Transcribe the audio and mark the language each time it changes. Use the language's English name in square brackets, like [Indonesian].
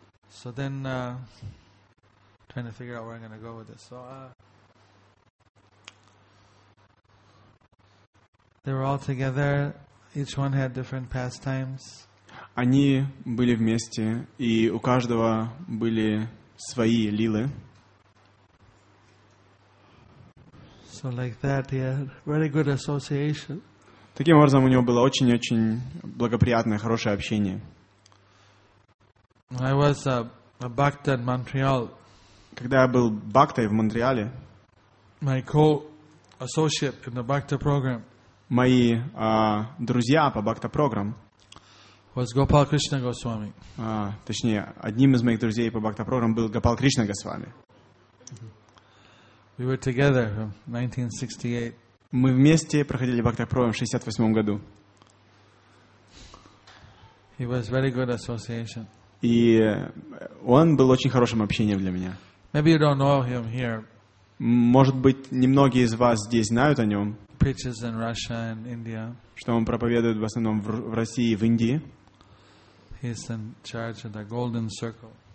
[English] So then, trying to figure out where I'm going to go with this. So they were all together. Each one had different pastimes. [Russian] Они были вместе, и у каждого были свои лилы. [English] So like that, he had very good association. [Russian] Таким образом, у него было очень-очень благоприятное, хорошее общение. [English] I was a bhakta in Montreal. [Russian] Когда я был бхактой в Монреале, [English] my co-associate in the bhakta program. [Russian] Мои друзья по бхакта программ. [English] Was Gopal Krishna Goswami. [Russian] Точнее, одним из моих друзей по бхакта программ был Гопал Кришна Госвами. [English] We were together from 1968. [Russian] Мы вместе проходили бхакти-прагьян в 68 году. [English] It was very good association. [Russian] И он был очень хорошим общением для меня. [English] Maybe you don't know him here. [Russian] Может быть, немногие из вас здесь знают о нем. [English] Preaches in Russia and India. [Russian] Что он проповедует в основном в России и в Индии. [English] He's in charge of the Golden Circle.